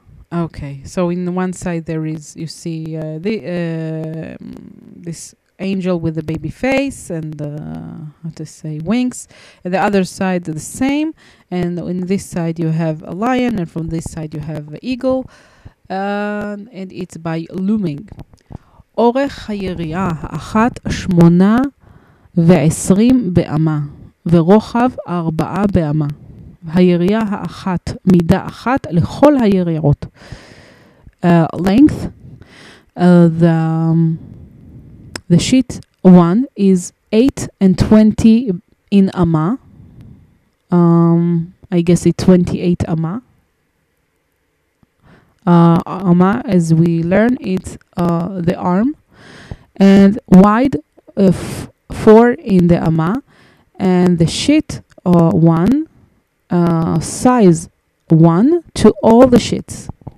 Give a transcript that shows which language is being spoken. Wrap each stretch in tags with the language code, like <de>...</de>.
<en>Okay, so in one side there is, you see, this angel with the baby face and how to say, wings. And the other side the same. And in this side you have a lion, and from this side you have an eagle. And it's by looming.</en> <he>אורך היריעה האחת 28 באמה, ורוחב 4 באמה. היריעה האחת, מידה אחת לכל היריעות.</he> <en>Length, the sheet one is 8 and 20 in amma. I guess it's 28 amma. Amma, as we learn, it's the arm, and wide 4 in the amma, and the sheet one, size one to all the sheets.</en>